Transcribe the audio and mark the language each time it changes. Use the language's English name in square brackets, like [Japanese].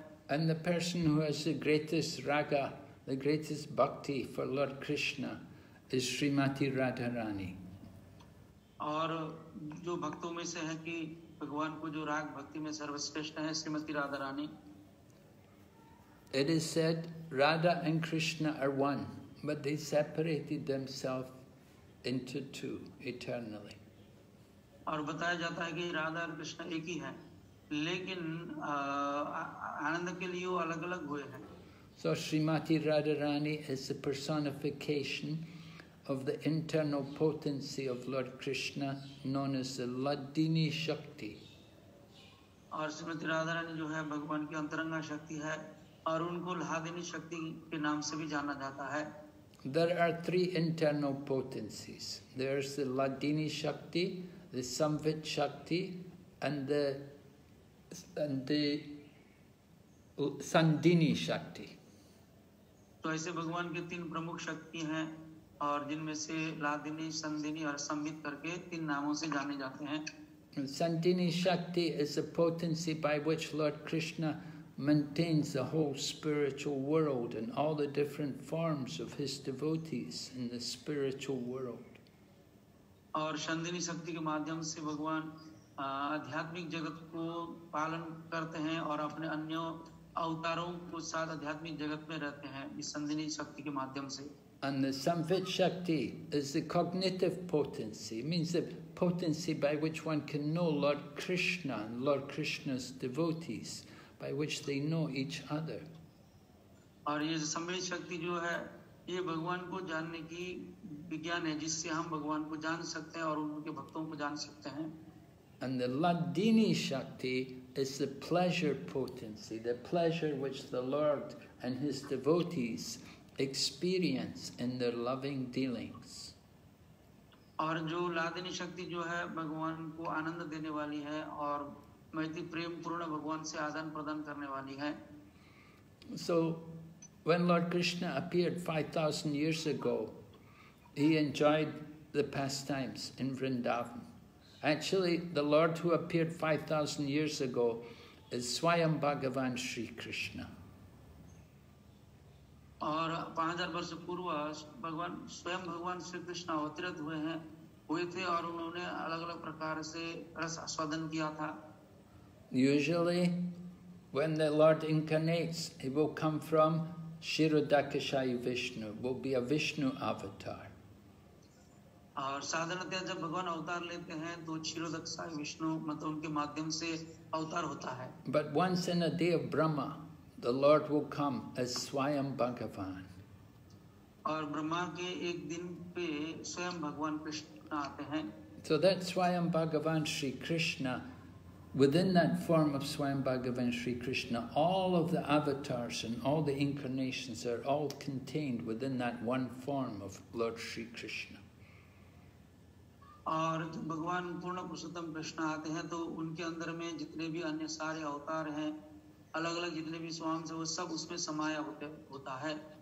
[English] And the person who has the greatest raga, the greatest bhakti for Lord Krishna is Srimati Radharani. [Hindi] और जो भक्तों में से है कि भगवान को जो राग भक्ति में सर्वश्रेष्ठ है Shrimati Radha Rani. [English] It is said Radha and Krishna are one, but they separated themselves into two eternally. [Hindi] और बताया जाता है कि राधा और कृष्ण एक ही हैं लेकिन आनंद के लिए वो अलग-अलग हुए हैं [English] So Srimati Radharani is the personification of the internal potency of Lord Krishna, known as the Ladini Shakti. [Hindi] और Srimati Radharani जो है भगवान की अंतरंगा शक्ति है और उनको लादिनी शक्ति के नाम से भी जाना जाता है. [English] There are three internal potencies. There's the Ladini Shakti, the Samvit Shakti, and the Sandini Shakti. [Hindi] तो ऐसे भगवान के तीन प्रमुख शक्ति हैं और जिनमें से लादिनी संदिनी और संबित करके तीन नामों से जाने जाते हैं [English] संदिनी शक्ति is a potency by which Lord Krishna maintains the whole spiritual world and all the different forms of his devotees in the spiritual world [Hindi] और संदिनी शक्ति के माध्यम से भगवान आध्यात्मिक जगत को पालन करते हैं और अपने अन्य अवतारों को साथ आध्यात्मिक जगत में रहते हैं इस संदिनी शक्ति के माध्यम से [English] And the Samvit Shakti is the cognitive potency, it means the potency by which one can know Lord Krishna and Lord Krishna's devotees, by which they know each other. [Hindi] और ये Samvit Shakti जो है, ये भगवान को जानने की विज्ञान है, जिससे हम भगवान को जान सकते हैं और उनके भक्तों को जान सकते हैं. [English] And the Ladini Shakti is the pleasure potency, the pleasure which the Lord and his devotees experience in their loving dealings. [Hindi] और जो लादिनी शक्ति जो है भगवान को आनंद देने वाली है और मैत्री प्रेम पूर्ण भगवान से आदान प्रदान करने वाली है. [English] So when Lord Krishna appeared 5,000 years ago, he enjoyed the pastimes in Vrindavan. Actually, the Lord who appeared 5,000 years ago is Swayam Bhagavan Sri Krishna. [Hindi] और 5000 वर्ष पूर्व भगवान स्वयं भगवान श्री कृष्ण अवतरित हुए हैं हुए थे और उन्होंने अलग अलग प्रकार से रस आस्वादन किया था [English] Usually, when the Lord incarnates, he will come from Shirodakshayi Vishnu, will be a Vishnu avatar. [Hindi] और साधारणतया जब भगवान अवतार लेते हैं तो शिरोदक्षायु विष्णु मतलब उनके माध्यम से अवतार होता है [English] But once in a day of Brahma, The Lord will come as Swayam Bhagavan. [Hindi] और ब्रह्मा के एक दिन पे स्वयं भगवान कृष्ण आते हैं. [English] So that Swayam Bhagavan Sri Krishna, within that form of Swayam Bhagavan Sri Krishna, all of the avatars and all the incarnations are all contained within that one form of Lord Sri Krishna. [Hindi] और भगवान पूर्ण पुरुषोत्तम कृष्ण आते हैं तो उनके अंदर में जितने भी अन्य सारे अवतार हैं अलग-अलग जितने भी स्वामी हैं वो सब उसमें समाया होता है।